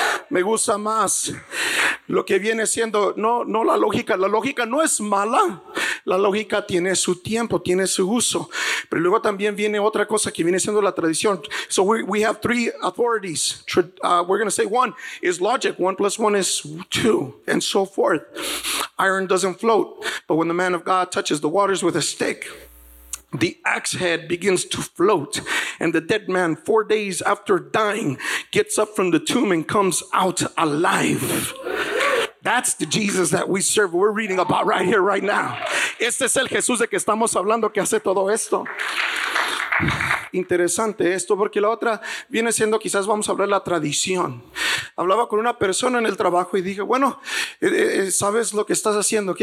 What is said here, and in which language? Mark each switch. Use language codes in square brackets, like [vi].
[es] Me gusta más lo que viene siendo, no la lógica. La lógica no es mala. La lógica tiene su tiempo, tiene su uso. Pero luego también viene otra cosa que viene siendo la tradición. [en] So we have three authorities. We're going to say one is logic. One plus one is two, and so forth. Iron doesn't float, but when the man of God touches the waters with a stick, the axe head begins to float, and the dead man, 4 days after dying, gets up from the tomb and comes out alive. That's the Jesus that we serve. We're reading about right here, right now. [es] Este es el Jesús de que estamos hablando, que hace todo esto. Interesante esto, porque la otra viene siendo, quizás vamos a hablar de la tradición. Hablaba con una persona en el trabajo y dije: bueno, ¿sabes lo que estás haciendo?